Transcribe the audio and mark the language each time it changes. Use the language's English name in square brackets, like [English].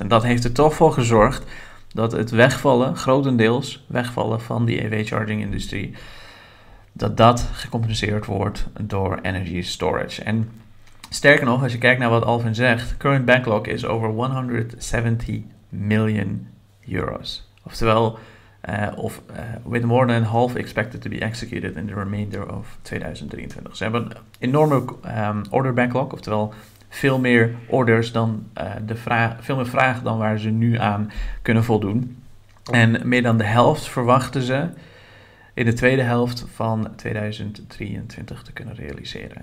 [Dutch] En dat heeft er toch voor gezorgd dat het wegvallen, grotendeels wegvallen van die EV-charging-industrie, dat gecompenseerd wordt door energy storage. En sterker nog, als je kijkt naar wat Alfen zegt, [English] current backlog is over [Dutch] 170 miljoen euro's. [English] Oftewel, with more than half expected to be executed in the remainder of 2023. [Dutch] Ze hebben een enorme order backlog, oftewel veel meer orders dan veel meer vraag dan waar ze nu aan kunnen voldoen. En meer dan de helft verwachten ze in de tweede helft van 2023 te kunnen realiseren.